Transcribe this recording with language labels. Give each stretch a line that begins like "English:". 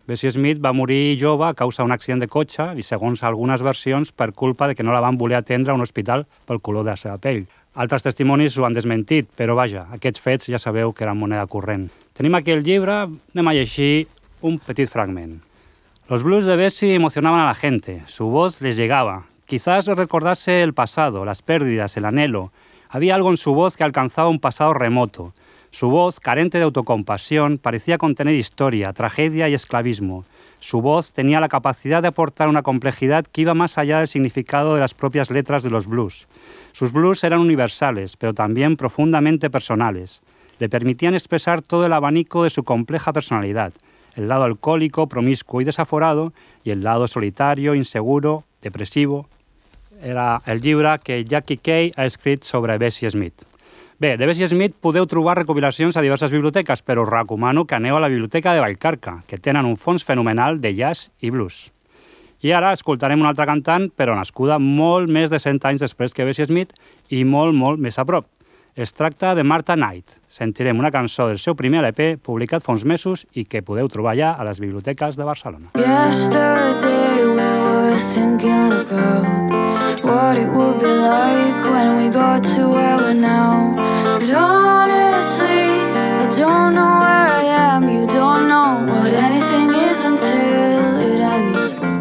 Catalan: Bessie Smith va morir jove a causa d'un accident de cotxe i, segons algunes versions, per culpa de que no la van voler atendre a un hospital pel color de la seva pell. Altres testimonis ho han desmentit, però vaja, aquests fets ja sabeu que eren moneda corrent. Tenim aquí el llibre, anem a llegir un petit fragment.
Spanish: Los blues de Bessie emocionaban a la gente, su voz les llegaba. Quizás recordase el pasado, las pérdidas, el anhelo. Había algo en su voz que alcanzaba un pasado remoto. Su voz, carente de autocompasión, parecía contener historia, tragedia y esclavismo. Su voz tenía la capacidad de aportar una complejidad que iba más allá del significado de las propias letras de los blues. Sus blues eran universales, pero también profundamente personales. Le permitían expresar todo el abanico de su compleja personalidad, el lado alcohólico, promiscuo y desaforado, y el lado solitario, inseguro, depresivo.
Catalan: Era el llibre que Jackie Kay ha escrit sobre Bessie Smith. Bé, de Bessie Smith podeu trobar recopilacions a diverses biblioteques, però us recomano que aneu a la Biblioteca de Vallcarca, que tenen un fons fenomenal de jazz i blues. I ara escoltarem una altra cantant, però nascuda molt més de 100 anys després que Bessie Smith i molt, molt més a prop. Es tracta de Martha Knight. Sentirem una cançó del seu primer LP, publicat fa uns mesos, i que podeu trobar ja a les biblioteques de Barcelona.
English: Yesterday we were thinking about what it would be like when we got to where we're now. But honestly, I don't know where I am. You don't know what anything is until it ends.